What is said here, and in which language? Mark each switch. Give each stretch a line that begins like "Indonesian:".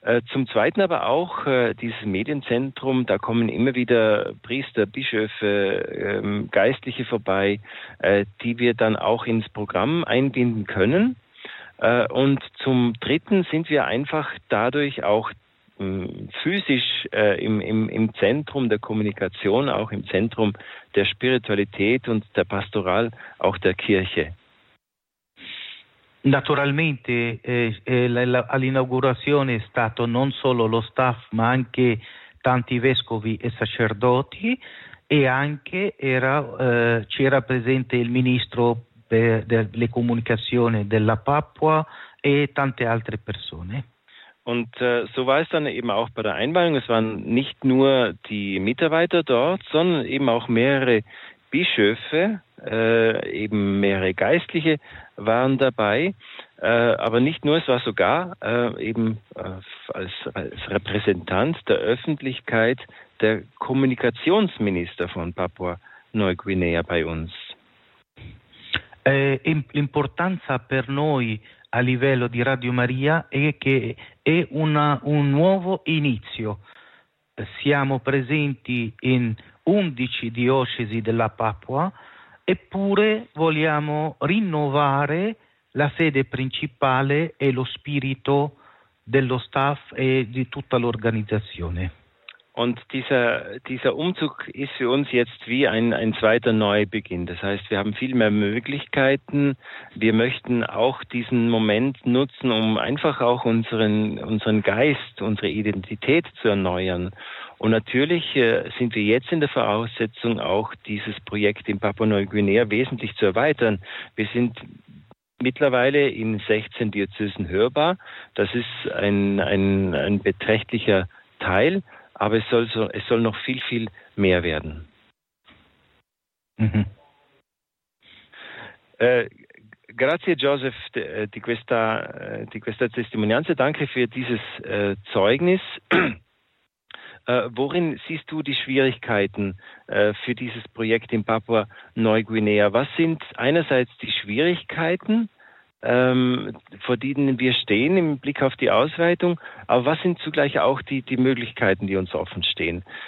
German: Zum Zweiten aber auch dieses Medienzentrum, da kommen immer wieder Priester, Bischöfe, Geistliche vorbei, die wir dann auch ins Programm einbinden können. Und zum Dritten sind wir einfach dadurch auch physisch im Zentrum der Kommunikation, auch im Zentrum der Spiritualität und der Pastoral, auch der Kirche.
Italian: Naturalmente all'inaugurazione è stato non solo lo staff, ma anche tanti vescovi e sacerdoti e anche c'era presente il ministro delle comunicazioni della Papua e tante altre persone.
German: Und so war es dann eben auch bei der Einweihung. Es waren nicht nur die Mitarbeiter dort, sondern eben auch mehrere Bischöfe, eben mehrere Geistliche waren dabei. Aber nicht nur, es war sogar als Repräsentant der Öffentlichkeit der Kommunikationsminister von Papua-Neuguinea bei uns.
Italian: L'importanza per noi a livello di Radio Maria è che è un nuovo inizio. Siamo presenti in 11 diocesi della Papua eppure vogliamo rinnovare la sede principale e lo spirito dello staff e di tutta l'organizzazione.
German: Und dieser Umzug ist für uns jetzt wie ein zweiter Neubeginn. Das heißt, wir haben viel mehr Möglichkeiten. Wir möchten auch diesen Moment nutzen, um einfach auch unseren Geist, unsere Identität zu erneuern. Und natürlich sind wir jetzt in der Voraussetzung, auch dieses Projekt in Papua-Neuguinea wesentlich zu erweitern. Wir sind mittlerweile in 16 Diözesen hörbar. Das ist ein beträchtlicher Teil. Aber es soll noch viel, viel mehr werden.
Italian: Grazie, Joseph, di questa testimonianza.
German: Danke für dieses Zeugnis. Worin siehst du die Schwierigkeiten für dieses Projekt in Papua-Neuguinea? Was sind einerseits die Schwierigkeiten, vor denen wir stehen im Blick auf die Ausweitung, aber was sind zugleich auch die Möglichkeiten, die uns offen stehen?